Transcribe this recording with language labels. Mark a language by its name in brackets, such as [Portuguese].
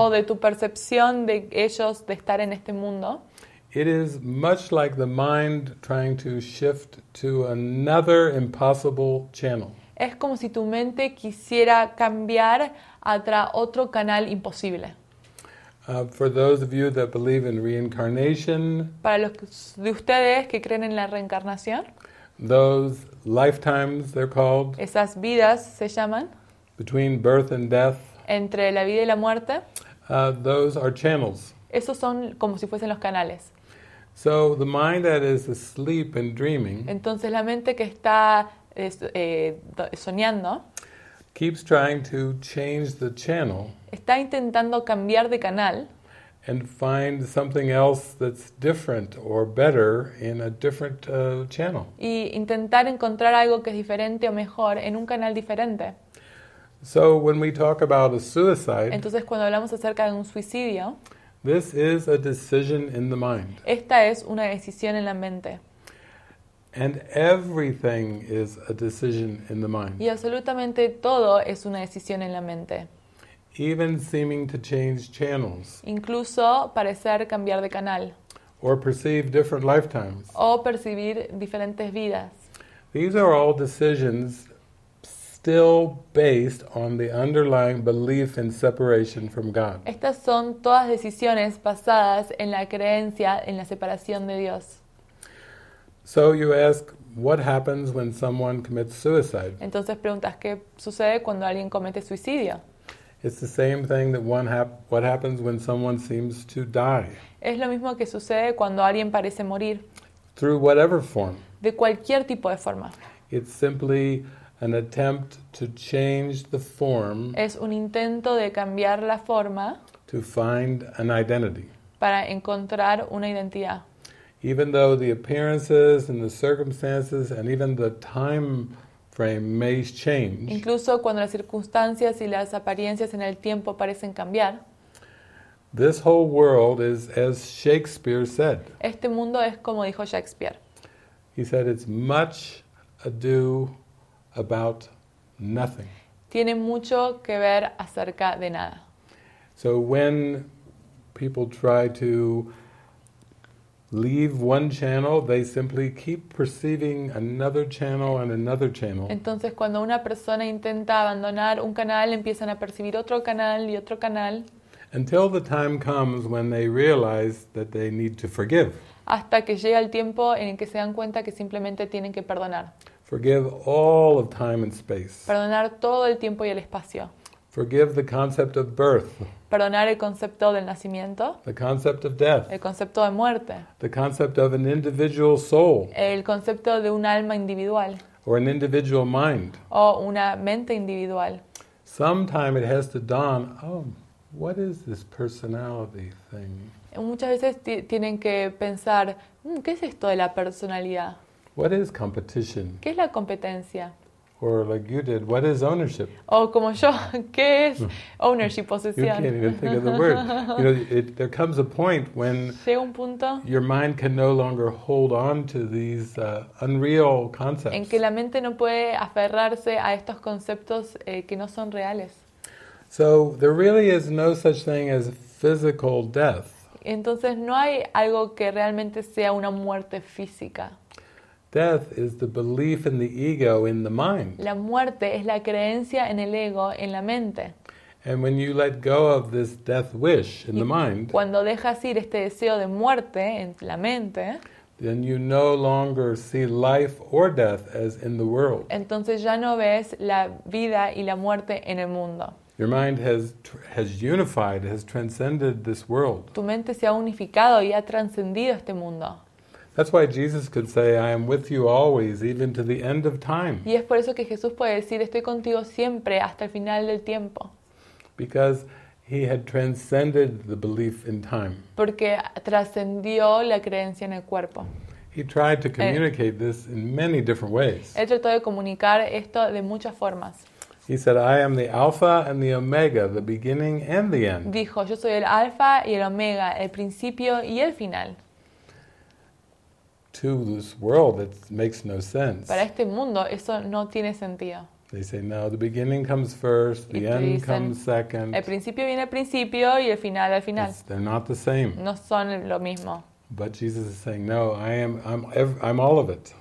[Spanish] o de tu percepción de ellos de estar en este mundo, [English] it is much like the mind trying to shift to another impossible channel. [Spanish] Es como si tu mente quisiera cambiar a otro canal imposible. [English] For those of you that believe in reincarnation, [Spanish] para los de ustedes que creen en la reencarnación, [English] those lifetimes they're called, [Spanish] esas vidas se llaman, [English] between birth and death, [Spanish] entre la vida y la muerte, [English] those are channels. [Spanish] Esos son como si fuesen los canales. [English] So the mind that is asleep and dreaming, [Spanish] entonces la mente que está soñando, [English] keeps trying to change the channel, [Spanish] está intentando cambiar de canal, [English] and find something else that's different or better in a different channel, [Spanish] y intentar encontrar algo que es diferente o mejor en un canal diferente. [English] So when we talk about a suicide, [Spanish] entonces cuando hablamos acerca de un suicidio, [English] this is a decision in the mind. [Spanish] Esta es una decisión en la mente. [English] And everything is a decision in the mind. [Spanish] Y absolutamente todo es una decisión en la mente. [English] Even seeming to change channels. [Spanish] Incluso parecer cambiar de canal. [English] Or perceive different lifetimes. [Spanish] O percibir diferentes vidas. [English] These are all decisions still based on the underlying belief in separation from God. [Spanish] Estas son todas decisiones basadas en la creencia en la separación de Dios. [English] So you ask, what happens when someone commits suicide? [Spanish] Entonces preguntas, ¿qué sucede cuando alguien comete suicidio? [English] It's the same thing that what happens when someone seems to die. [Spanish] Es lo mismo que sucede cuando alguien parece morir. [English] Through whatever form. [Spanish] De cualquier tipo de forma. [English] It's simply an attempt to change the form. [Spanish] Es un intento de cambiar la forma. [English] To find an identity. [Spanish] Para encontrar una identidad. [English] Even though the appearances and the circumstances and even the time frame may change. [Spanish] Incluso cuando las circunstancias y las apariencias en el tiempo parecen cambiar. [English] This whole world is as Shakespeare said. [Spanish] Este mundo es como dijo Shakespeare. [English] He said it's much ado about nothing. [Spanish] Tiene mucho que ver acerca de nada. [English] So when people try to leave one channel, they simply keep perceiving another channel and another channel. [Spanish] Entonces, cuando una persona intenta abandonar un canal, empiezan a percibir otro canal y otro canal. [English] Until the time comes when they realize that they need to forgive. [Spanish] Hasta que llega el tiempo en el que se dan cuenta que simplemente tienen que perdonar. [English] Forgive all of time and space. [Spanish] Perdonar todo el tiempo y el espacio. [English] Forgive the concept of birth. [Spanish] Perdonar el concepto del nacimiento. [English] The concept of death. [Spanish] El concepto de muerte. [English] The concept of an individual soul. [Spanish] El concepto de un alma individual. [English] Or an individual mind. [Spanish] O una mente individual. [English] Sometime it has to dawn, oh, what is this personality thing? [Spanish] Muchas veces tienen que pensar, ¿qué es esto de la personalidad? [English] What is competition? [Spanish] ¿Qué es la competencia? [English] Or like you did, what is ownership? [Spanish] O como yo, ¿qué es ownership, posesión? [English] You can't even think of the word. You know, there comes a point when your mind can no longer hold on to these unreal concepts. [Spanish] En que la mente no puede aferrarse a estos conceptos que no son reales. [English] So there really is no such thing as physical death. [Spanish] Entonces no hay algo que realmente sea una muerte física. [English] Death is the belief in the ego in the mind. [Spanish] La muerte es la creencia en el ego en la mente. [English] And when you let go of this death wish in the mind, [Spanish] cuando dejas ir este deseo de muerte en la mente, [English] then you no longer see life or death as in the world. [Spanish] Entonces ya no ves la vida y la muerte en el mundo. [English] Your mind has unified, has transcended this world. [Spanish] Tu mente se ha unificado y ha trascendido este mundo. [English] That's why Jesus could say, "I am with you always, even to the end of time." [Spanish] Y es por eso que Jesús puede decir, "Estoy contigo siempre hasta el final del tiempo." [English] Because he had transcended the belief in time. [Spanish] Porque trascendió la creencia en el cuerpo. [English] He tried to communicate this in many different ways. [Spanish] Él trató de comunicar esto de muchas formas. [English] He said, "I am the Alpha and the Omega, the beginning and the end." [Spanish] Dijo, "Yo soy el Alfa y el Omega, el principio y el final." [English] To this world, it makes no sense. [Spanish] Para este mundo, eso no tiene sentido. [English] They say, "No, the beginning comes first, the end comes second." [Spanish] El principio viene al principio y el final al final. [English] They're not the same. [Spanish] No son lo mismo. [English] But Jesus is saying, "No, I'm all of it."